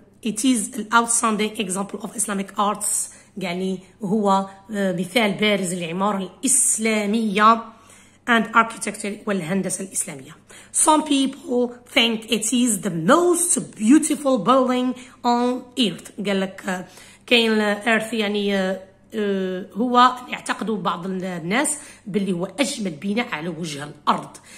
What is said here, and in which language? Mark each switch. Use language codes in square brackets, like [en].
[en] It is an outstanding example of Islamic arts، [ar] يعني هو مثال بارز للعمارة الإسلامية [en] and architecture [ar] والهندسة الإسلامية. [en] Some people think it is the most beautiful building on earth. [ar] قال لك كاين earth يعني هو يعتقد بعض الناس باللي هو أجمل بناء على وجه الأرض.